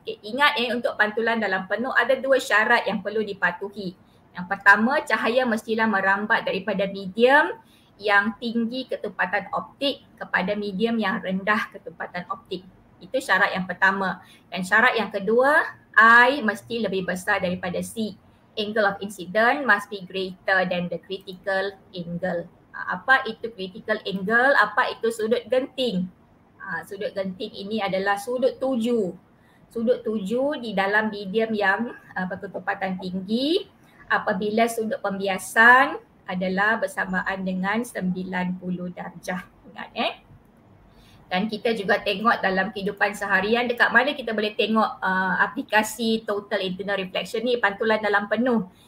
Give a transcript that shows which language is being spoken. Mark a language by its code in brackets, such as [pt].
[ms] Okay, ingat untuk pantulan dalam penuh ada dua syarat yang perlu dipatuhi. Yang pertama, cahaya mestilah merambat daripada medium yang tinggi ketumpatan optik kepada medium yang rendah ketumpatan optik. Itu syarat yang pertama. Dan syarat yang kedua, I mesti lebih besar daripada C. [en] Angle of incident must be greater than the critical angle. [ms] Apa itu critical angle? Apa itu sudut genting? Sudut genting ini adalah sudut tuju. Sudut tuju di dalam medium yang berketumpatan tinggi apabila sudut pembiasan adalah bersamaan dengan 90 darjah. Ingat, Dan kita juga tengok dalam kehidupan seharian dekat mana kita boleh tengok aplikasi total internal reflection ni, pantulan dalam penuh.